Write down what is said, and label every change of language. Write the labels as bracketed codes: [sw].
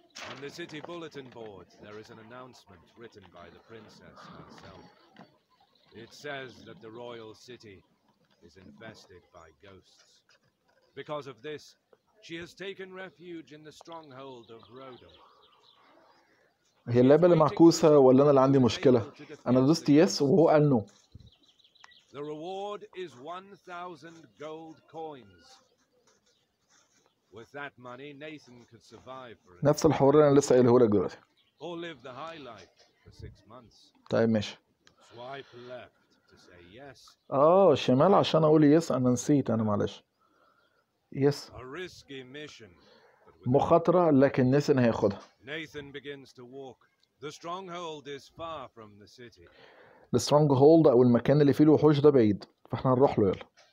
[en] On the city bulletin board there is an announcement written by the princess herself. It says that the royal city is infested by ghosts. Because of this she has taken refuge in the stronghold of Rodom. [ar] هي اللعبة اللي معكوسة ولا انا اللي عندي مشكلة؟ انا دوست يس وهو قال نو. [en] The reward is 1000 gold coins. With that money Nathan could survive for [ar] نفس الحوار اللي انا لسه قايله لك دلوقتي. [en] Or live the high life for 6 months. [ar] طيب ماشي. [en] Swipe left to say yes. [ar] شمال عشان اقول يس. انا نسيت، انا معلش. يس. [en] A risky mission. [ar] مخاطرة لكن نيثن هياخدها. [en] Nathan begins to walk. The stronghold is far from the city. The stronghold [ar] أو المكان اللي فيه الوحوش ده بعيد، فاحنا هنروح له يلا.